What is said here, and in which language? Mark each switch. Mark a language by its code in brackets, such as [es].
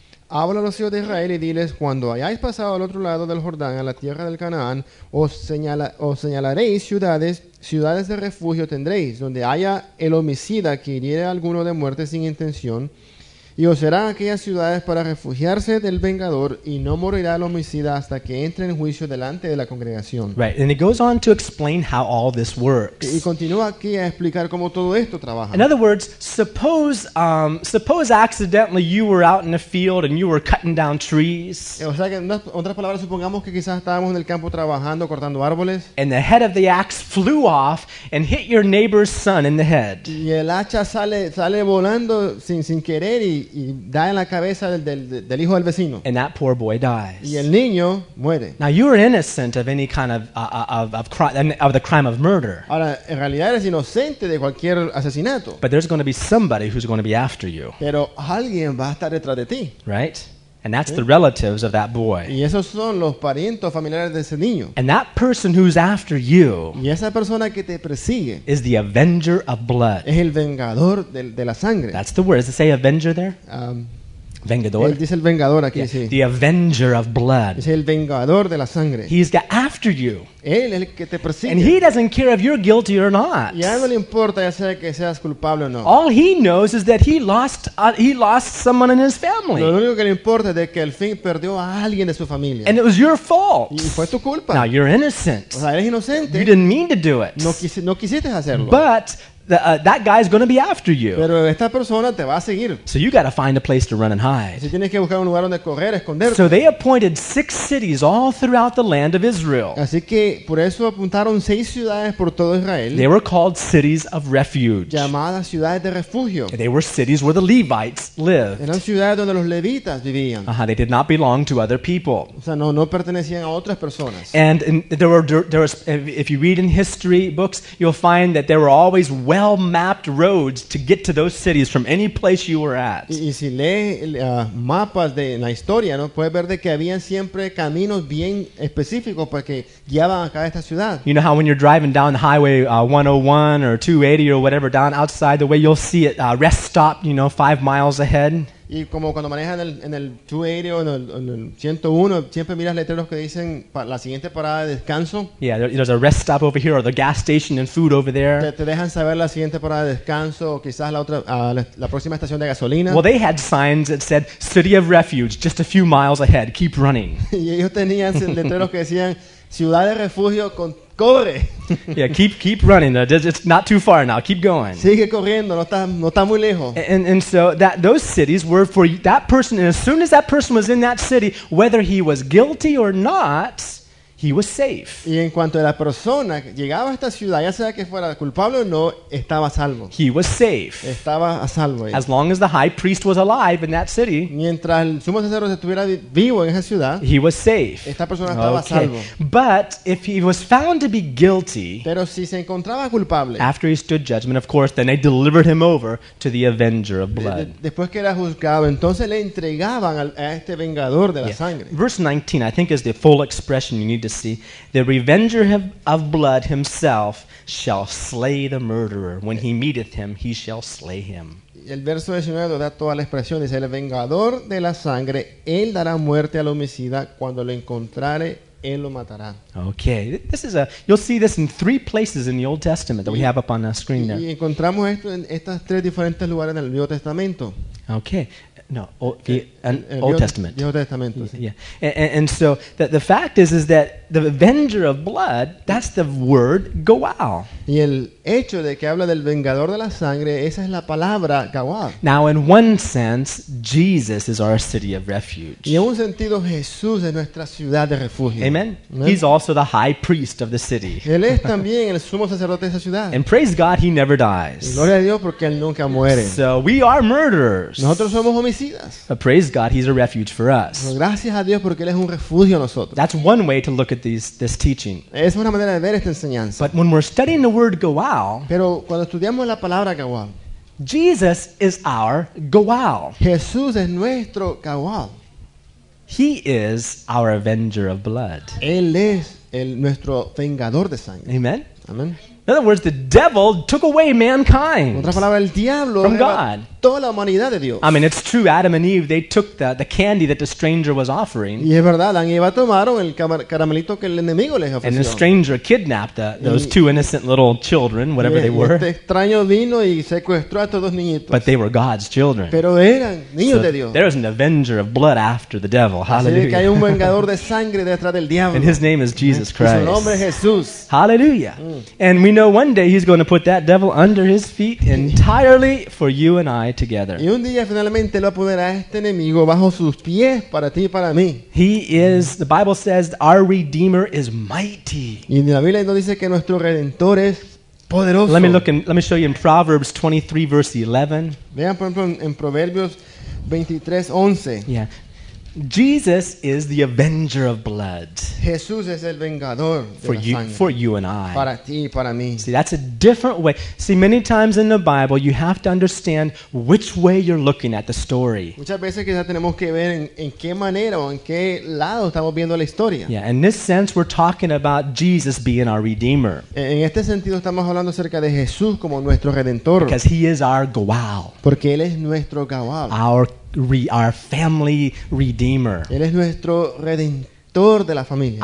[es] Habla a los hijos de Israel y diles, cuando hayáis pasado al otro lado del Jordán, a la tierra del Canaán, os señalaréis ciudades, ciudades de refugio tendréis, donde haya el homicida que hiriere a alguno de muerte sin intención, y os serán aquellas ciudades para refugiarse del vengador, y no morirá el homicida hasta que entre en juicio delante de la congregación. [en] Right, and it goes on to explain how all this works. [es] Y continúa aquí a explicar cómo todo esto trabaja. [en] In other words, suppose accidentally you were out in a field and you were cutting down trees. [es] O sea, que en otras palabras, supongamos que quizás estábamos en el campo trabajando, cortando árboles. [en] And the head of the axe flew off and hit your neighbor's son in the head. [es] Y el hacha sale volando sin querer y da en la cabeza del hijo del vecino. [en] And that poor boy dies. [es] Y el niño muere. [en] Now you are innocent of any kind of the crime of murder. [es] Ahora, en realidad eres inocente de cualquier asesinato. [en] But there's going to be somebody who's going to be after you. [es] Pero alguien va a estar detrás de ti. [en] Right? And that's the relatives of that boy. [es] Y esos son los parientes familiares de ese niño. [en] And that person who's after you, [es] y esa persona que te persigue, [en] is the avenger of blood. [es] Es el vengador de la sangre. [en] That's the word. Does it say avenger there? [es] Vengador. Él dice el vengador aquí, [en] yeah. [es] Sí. [en] The avenger of blood. [es] Es el vengador de la sangre. [en] He's got after you. [es] Él es el que te persigue. [en] And he doesn't care if you're guilty or not. [es] Y a él no le importa ya sea que seas culpable o no. [en] All he knows is that he lost someone in his family. [es] Lo único que le importa es que al fin perdió a alguien de su familia. [en] And it was your fault. [es] Y fue tu culpa. [en] Now you're innocent. [es] O sea, eres inocente. [en] You didn't mean to do it. [es] No quisiste hacerlo. [en] But that guy is going to be after you. [es] Pero esta persona te va a seguir. [en] So you got to find a place to run and hide. [es] Si tienes que buscar un lugar donde correr, esconderte. [en] So they appointed 6 cities all throughout the land of Israel. [es] Así que por eso apuntaron 6 ciudades por todo Israel. [en] They were called cities of refuge. [es] Llamadas ciudades de refugio. [en] They were cities where the Levites lived. [es] Eran ciudades donde los levitas vivían. [en] They did not belong to other people. [es] O sea, no pertenecían a otras personas. [en] And there was, if you read in history books, you'll find that there were always well-mapped roads to get to those cities from any place you were at. [es] Y si lee mapas de la historia, ¿no? Puedes ver de que había siempre caminos bien específicos para que guiaban a cada esta ciudad. [en] You know how when you're driving down Highway 101 or 280 or whatever down outside the way, you'll see it rest stop, 5 miles ahead. [es] Y como cuando manejas en el 280 o en el 101, siempre miras letreros que dicen la siguiente parada de descanso. [en] Yeah, there's a rest stop over here or the gas station and food over there. [es] Te dejan saber la siguiente parada de descanso o quizás la otra la próxima estación de gasolina. [en] Well, they had signs that said City of Refuge just a few miles ahead, keep running. [es] Y ellos tenían letreros que decían Ciudad de Refugio con corre. [en] Yeah, keep running. It's not too far now. Keep going. [es] Sigue corriendo. No está muy lejos. [en] And so that those cities were for that person. And as soon as that person was in that city, whether he was guilty or not, he was safe. [es] Y en cuanto a la persona llegaba a esta ciudad, ya sea que fuera culpable o no, estaba a salvo. [en] He was safe. [es] Estaba a salvo. [en] As long as the high priest was alive in that city. [es] Mientras el sumo sacerdote estuviera vivo en esa ciudad. [en] He was safe. [es] Esta persona estaba a salvo. [en] But if he was found to be guilty. [es] Pero si se encontraba culpable. [en] After he stood judgment, of course, then they delivered him over to the avenger of blood. [es] Después que era juzgado, entonces le entregaban a este vengador de la sangre. [en] Verse 19, I think, is the full expression you need to see. The revenger of blood himself shall slay the murderer. When he meeteth him, he shall slay him. [es] El verso 19 da toda la expresión. Dice, el vengador de la sangre, él dará muerte al homicida. Cuando lo encontrare, él lo matará. [en] Okay. This is you'll see this in 3 places in the Old Testament that we have up on the screen there. [es] Y encontramos esto en estas 3 diferentes lugares en el Nuevo Testamento. [en] Okay. No, Old Testament. [es] Viejo Testamento, sí. [en] Yeah, and so the fact is that the avenger of blood, that's the word Goal. [es] Y el hecho de que habla del vengador de la sangre, esa es la palabra Goal. [en] Now, in one sense, Jesus is our city of refuge. [es] Y en un sentido, Jesús es nuestra ciudad de refugio. [en] Amen. He's also the high priest of the city. [es] Él es también el sumo sacerdote de esa ciudad. [en] And praise God, he never dies. [es] Y gloria a Dios porque él nunca muere. [en] So we are murderers. [es] Nosotros somos homicidas. [en] But praise God, he's a refuge for us. [es] Gracias a Dios porque él es un refugio a nosotros. [en] That's one way to look at this teaching. [es] Es una manera de ver esta enseñanza. [en] But when we're studying the word Goal, [es] pero cuando estudiamos la palabra Goal, [en] Jesus is our Goal. [es] Jesús es nuestro Goal. [en] He is our avenger of blood. [es] Él es nuestro vengador de sangre. [en] Amen. [es] Amen. [en] In other words, the devil took away mankind [es] otra palabra, el diablo [en] from God. [es] toda la humanidad de Dios. [en] I mean, it's true, Adam and Eve, they took the candy that the stranger was offering. [es] Y es verdad, Adán y Eva tomaron el caramelito que el enemigo les ofreció. [en] And the stranger kidnapped those two innocent little children, whatever they were. [es] Este extraño vino y secuestró a estos dos niñitos. [en] But they were God's children. [es] Pero eran niños de Dios. [en] There is an avenger of blood after the devil. Hallelujah. [es] Así que hay un vengador de sangre detrás del diablo. [en] And his name is Jesus Christ. [es] Y su nombre es Jesús. [en] Hallelujah. And we know one day he's going to put that devil under his feet entirely for you and I together. [es] Y un día finalmente lo va a poner a este enemigo bajo sus pies para ti y para mí. [en] He is, the Bible says, our Redeemer is mighty. [es] Y la Biblia nos dice que nuestro Redentor es poderoso. [en] Let me show you in Proverbs 23, verse 11. [es] Vean, por ejemplo, en Proverbios 23, 11. [en] Yeah. Jesus is the avenger of blood. [es] Jesús es el vengador de [en] for [es] la [en] you, [es] sangre. [en] For you and I. [es] Para ti, para mí. [en] See, that's a different way. See, many times in the Bible, you have to understand which way you're looking at the story. [es] Muchas veces quizás tenemos que ver en qué manera o en qué lado estamos viendo la historia. [en] Yeah, in this sense, we're talking about Jesus being our Redeemer. [es] En este sentido, estamos hablando acerca de Jesús como nuestro Redentor. [en] Because he is our Goal. [es] Porque él es nuestro Goal. [en] Our family redeemer. [es] Él es nuestro redentor de la familia.